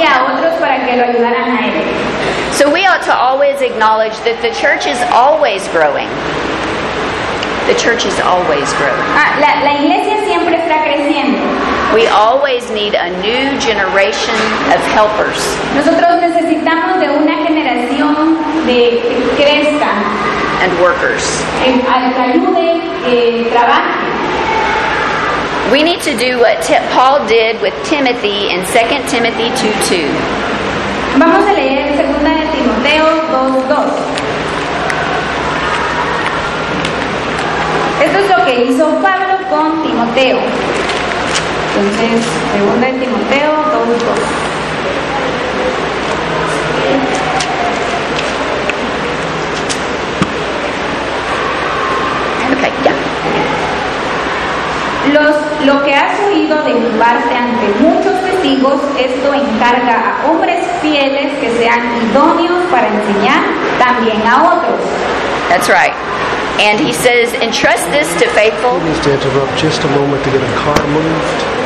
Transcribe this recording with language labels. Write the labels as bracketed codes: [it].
[es] Y a otros para que lo ayudaran a él. [en] So we ought to always acknowledge that the church is always growing. The church is always growing. [es] La iglesia siempre está creciendo. [en] We always need a new generation of helpers. [es] Nosotros necesitamos de una generación de que crezca. [en] And workers. [es] Al que ayude, trabaje. [en] We need to do what Paul did with Timothy in 2 Timothy 2:2. [es] Vamos a leer 2 de Timoteo 2:2. Esto es lo que hizo Pablo con Timoteo. Entonces, 2 de Timoteo 2:2. [en] Okay, [es] ya. [en] Yeah. [es] Lo que has oído de mi parte ante muchos testigos, esto encarga a hombres fieles que sean idóneos para enseñar también a otros. [en] That's right. And he says, entrust this to faithful. He needs to interrupt just a moment to get a car moved.